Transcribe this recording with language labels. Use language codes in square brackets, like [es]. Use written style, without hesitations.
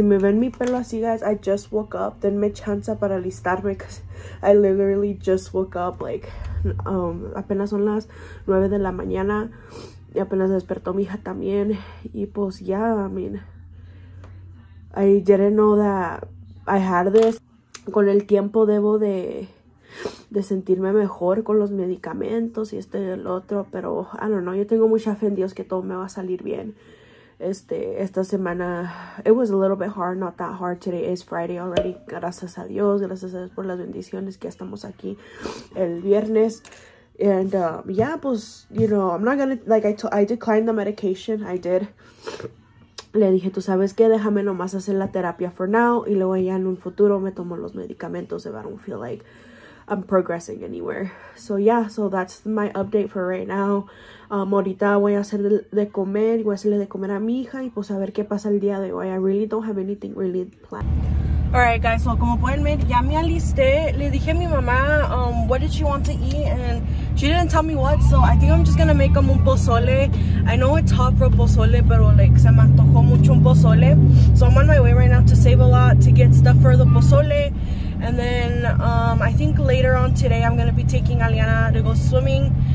[es] Si me ven mi pelo así, guys, I just woke up. Denme chance para alistarme, because I literally just woke up, like, apenas son las 9 de la mañana. Y apenas despertó mi hija también. [en] Y pues, yeah, I mean, I didn't know that I had this. [es] Con el tiempo debo de sentirme mejor con los medicamentos y este y el otro. Pero, I don't know, yo tengo mucha fe en Dios que todo me va a salir bien. [en] Esta semana, it was a little bit hard, not that hard. Today is Friday already. [es] Gracias a Dios, gracias a Dios por las bendiciones que estamos aquí el viernes. [en] And yeah, pues, you know, I'm not gonna, like, I declined the medication. I did. [es] Le dije, tú sabes qué, déjame nomás hacer la terapia for now. Y luego ya en un futuro me tomo los medicamentos if I don't feel like I'm progressing anywhere. [en] So yeah, so that's my update for right now. [es] Ahorita voy a hacer de comer, voy a hacerle de comer a mi hija y pues a ver qué pasa el día de hoy. I really don't have anything really planned. Alright, guys, so como pueden ver, ya me alisté. [en] Le dije a mi mamá, what did she want to eat, and she didn't tell me what, so I think I'm just gonna make them un pozole. [es] I know it's hot for pozole, pero, like, se me antojó mucho un pozole. [en] So I'm on my way right now to Save a Lot to get stuff for the pozole. And then, I think later on today, I'm gonna be taking Aliana to go swimming.